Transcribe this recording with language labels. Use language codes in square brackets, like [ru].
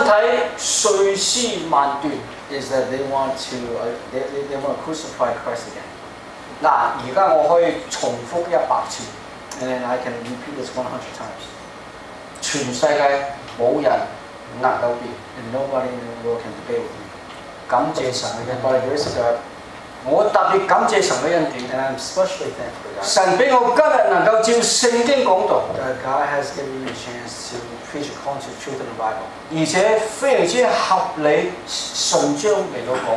[zh] 还将耶稣基督的身体碎尸万段 [en] is that they want to they want to crucify Christ again. [zh] 那现在我可以重复100次 [en] and then I can repeat this 100 times. [zh] 全世界没人能够比 [en] and nobody in the world can debate with me. [zh] 感谢神的恩典 [en] by grace of God. [zh] 我特别感谢神的恩典 [en] and I'm especially thankful to God. [zh] 神给我今天能够进圣经讲道 [en] that God has given me a chance to preach a concept of truth in the Bible. [zh] 而且非常合理顺章来讲道